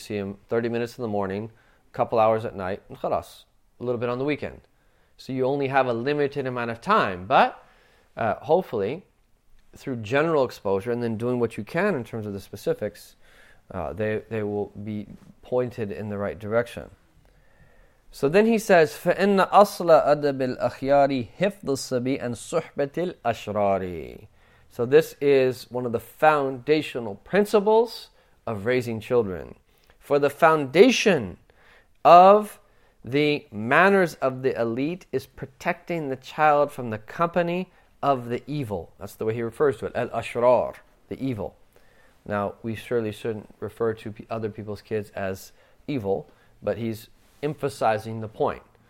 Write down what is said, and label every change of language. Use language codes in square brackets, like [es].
[en] You see them 30 minutes in the morning, a couple hours at night, and khalas, a little bit on the weekend. So you only have a limited amount of time. But hopefully, through general exposure and then doing what you can in terms of the specifics, they will be pointed in the right direction. So then he says, [ar] فَإِنَّ أَصْلَ أَدَبِ الْأَخْيَارِ حِفْظُ السَّبِي أَنْ صُحْبَةِ الْأَشْرَارِ. [en] So this is one of the foundational principles of raising children. For the foundation of the manners of the elite is protecting the child from the company of the evil. That's the way he refers to it, al-ashrar, the evil. Now, we surely shouldn't refer to other people's kids as evil, but he's emphasizing the point.